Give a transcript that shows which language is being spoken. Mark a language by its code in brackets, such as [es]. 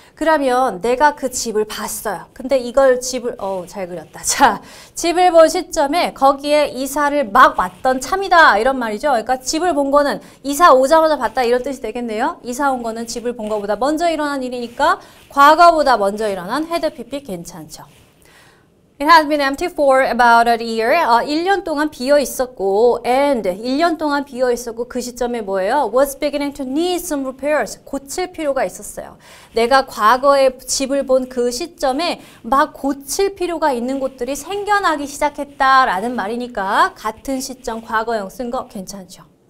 [ko] 그러면 내가 그 집을 봤어요. 근데 이걸 집을, 어우 잘 그렸다. 자, 집을 본 시점에 거기에 이사를 막 왔던 참이다 이런 말이죠. 그러니까 집을 본 거는 이사 오자마자 봤다 이런 뜻이 되겠네요. 이사 온 거는 집을 본 거보다 먼저 일어난 일이니까 과거보다 먼저 일어난 헤드피피 괜찮죠. [en] It has been empty for about a year. [ko] 1년 동안 비어 있었고, and 1년 동안 비어 있었고 그 시점에 뭐예요? [en] Was beginning to need some repairs. [ko] 고칠 필요가 있었어요. 내가 과거에 집을 본 그 시점에 막 고칠 필요가 있는 곳들이 생겨나기 시작했다라는 말이니까 같은 시점 과거형 쓴 거 괜찮죠.